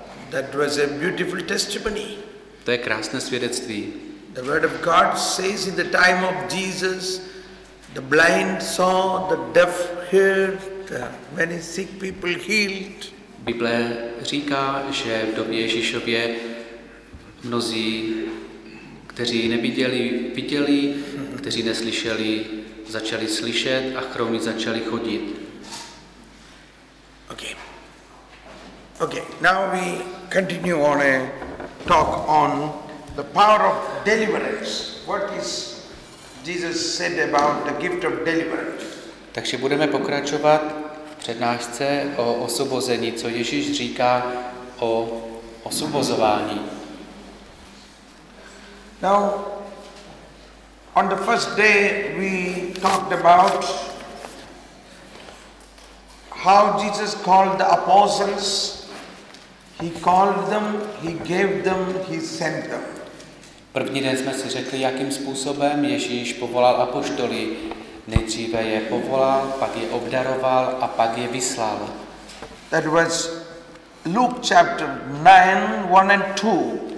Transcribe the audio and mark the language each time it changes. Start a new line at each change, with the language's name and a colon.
English: That was a beautiful testimony.
Czech: To je krásné svědectví.
English: The word of God says in the time of Jesus, the blind saw, the deaf heard, the many sick people healed.
Czech: Bible říká, že v době Ježíšově mnozí, kteří neviděli, viděli, kteří neslyšeli, začali slyšet a chromí začali chodit.
English: Okay. Now we continue on a talk on the power of deliverance. What is Jesus said about the gift of deliverance.
Czech: Takže budeme pokračovat v přednášce o osvobození, co Ježíš říká o osvobozování.
English: Now, on the first day we talked about how Jesus called the apostles. He called them, he gave them, he sent them.
Czech: První den jsme si řekli, jakým způsobem Ježíš povolal apoštoly. Nejdříve je povolal, pak je obdaroval a pak je vyslal.
English: That was Luke chapter 9, 1 and 2.